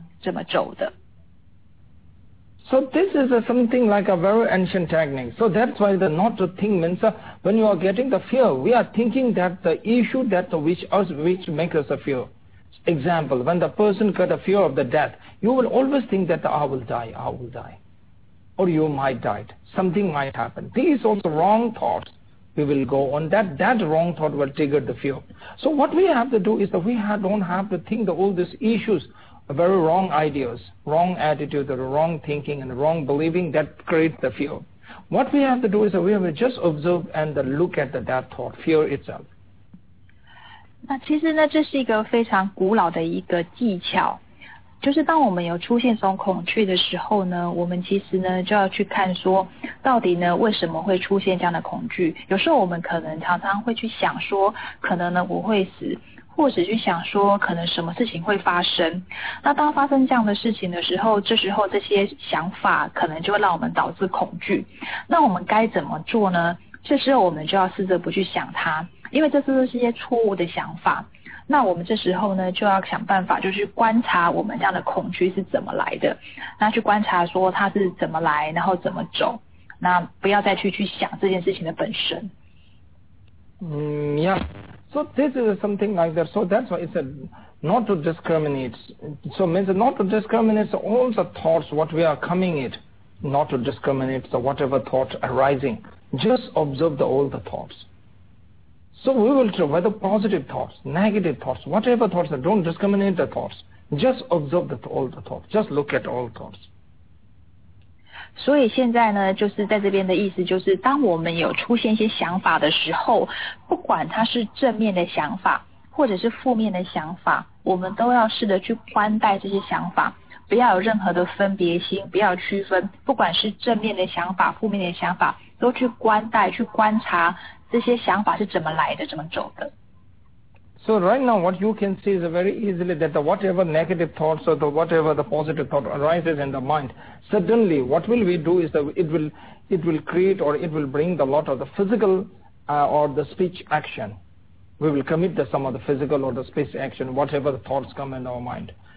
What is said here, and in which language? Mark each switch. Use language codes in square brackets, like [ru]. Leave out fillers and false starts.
[zh] 那当然要我们忽然间裙子去想是很困难的，可是我们可以试着这样做。当这个恐惧出现的时候，或是有些想法出现的时候，我们试着去观察我们这些想法，看它是怎么来的，怎么走的。 [en] So this is something like a very ancient technique. So that's why the not to think means when you are getting the fear, we are thinking that the issue that which makes us a fear. Example, when the person got a fear of the death, you will always think that I will die. Or you might die. Something might happen. These are the wrong thoughts. We will go on that wrong thought will trigger the fear. So what we have to do is that we don't have to think that all these issues. Very wrong ideas, wrong attitude, or wrong thinking and wrong believing that creates the fear. What we have to do is that we have to just observe and look at that thought, fear itself. [zh] 那其实呢，这是一个非常古老的一个技巧，就是当我们有出现这种恐惧的时候呢，我们其实呢就要去看说，到底呢为什么会出现这样的恐惧？有时候我们可能常常会去想说，可能呢我会死。或者去想说可能什么事情会发生。那当发生这样的事情的时候，这时候这些想法可能就会让我们导致恐惧。那我们该怎么做呢？这时候我们就要试着不去想它，因为这是一些错误的想法。那我们这时候呢，就要想办法就去观察我们这样的恐惧是怎么来的，那去观察说它是怎么来，然后怎么走，那不要再去想这件事情的本身。 [en] Yeah, so this is something like that. So that's why it's a not to discriminate. So means not to discriminate all the thoughts what we are coming at, not to discriminate the whatever thought arising. Just observe the all the thoughts. So we will try whether positive thoughts, negative thoughts, whatever thoughts, don't discriminate the thoughts. Just observe the all the thoughts. Just look at all thoughts. [zh] 所以现在呢，就是在这边的意思就是，当我们有出现一些想法的时候，不管它是正面的想法或者是负面的想法，我们都要试着去观待这些想法，不要有任何的分别心，不要区分，不管是正面的想法负面的想法，都去观待，去观察这些想法是怎么来的，怎么走的。 [en] So right now what you can see is very easily that the whatever negative thoughts or the whatever the positive thought arises in the mind, suddenly what will we do is that it will create or it will bring the lot of the physical or the speech action. We will commit the some of the physical or the speech action, whatever the thoughts come in our mind.